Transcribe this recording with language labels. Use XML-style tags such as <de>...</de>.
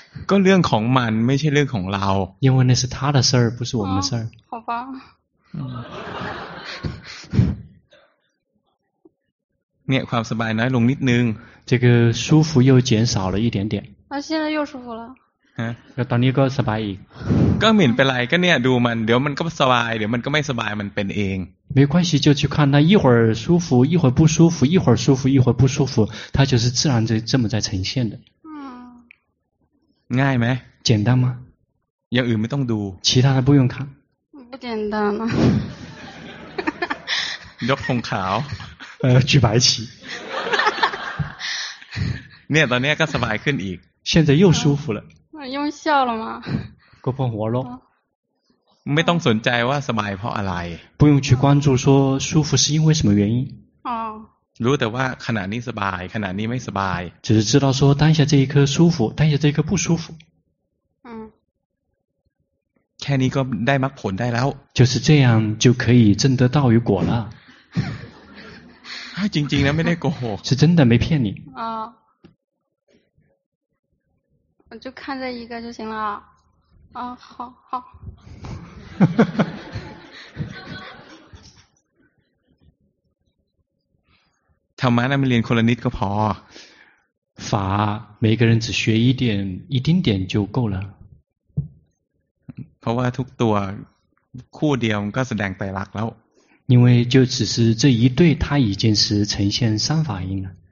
<th>ก็เรื่องของมันไม่ใช่เรื่องของเรา</th> <zh>因为那是他的事儿不是我们的事儿好吧</zh> <th>เนี่ยความสบายน้อยลงนิดนึง</th> <zh>这个舒服又减少了一点点啊现在又舒服了</zh> <th>ฮะ แล้วตอนนี้ก็สบายอีก ก็เหมือนเป็นไรก็เนี่ยดูมันเดี๋ยวมันก็สบายเดี๋ยวมันก็ไม่สบายมันเป็นเอง</th> <zh>没关系就去看它一会儿舒服一会儿不舒服一会儿舒服一会儿不舒服它就是自然的这么在呈现的</zh> <th>ง่ายไหม</th> <zh>简单吗</zh> <th>อย่างอื่นไม่ต้องดู</th> <zh>其他的不用看不简单吗</zh> <th>ยกธงขาว</th> <zh>举白旗</zh> <th>เนี่ยตอนนี้ก็สบายขึ้นอีก</th> <zh>现在又舒服了用笑了吗</zh> <th>ก็พอหัวลง ไม่ต้องสนใจว่าสบายเพราะอะไร</th> <zh>不用去关注说舒服是因为什么原因</zh> <th>รู้แต่ว่าขณะนี้สบายขณะนี้ไม่สบาย</th> <zh>只是知道说当下这一刻舒服当下这一刻不舒服</zh> <th>แค่นี้ก็ได้มรรคผลได้แล้ว</th> <zh>就是这样就可以证得道与果了</zh> <th>จริงๆนะไม่ได้โกหก</th> <zh>是真的没骗你啊我就看这一个就行了啊好好</zh> <th>ธรรมะนั้นเรียนคนละนิดก็พ</th> <zh>อ法每个人只学一点一丁点就够了</zh> <th>เพราะว่าทุกตัวคู่เดียวก็แสดงไตรลักษณ์แล้ว</th> <zh>因为就只是这一对他已经是呈现三法印了</zh>